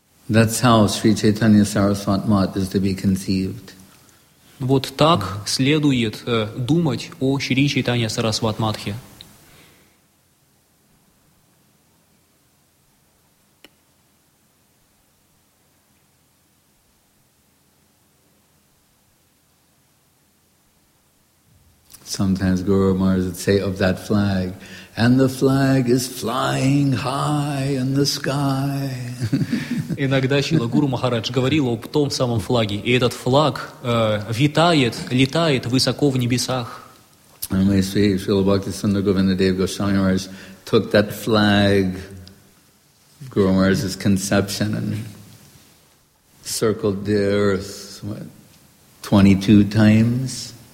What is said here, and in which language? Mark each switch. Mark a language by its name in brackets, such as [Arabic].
[English] That's how Sri Chaitanya Sarasvat Math is to be conceived. [Russian] Вот так следует думать о Шри Чайтанья Сарасват Матхе. [English] Sometimes Guru Maharaj would say of that flag, and the flag is flying high in the sky. [Russian] Иногда Шрила Гуру Махарадж говорил об том самом флаге, и этот флаг витает, летает высоко в небесах. [English] And we see Шрила Бхактисиддханта Говиндадева Госвами Махарадж took that flag, Guru Maharaj's conception, and circled the earth, what, 22 times?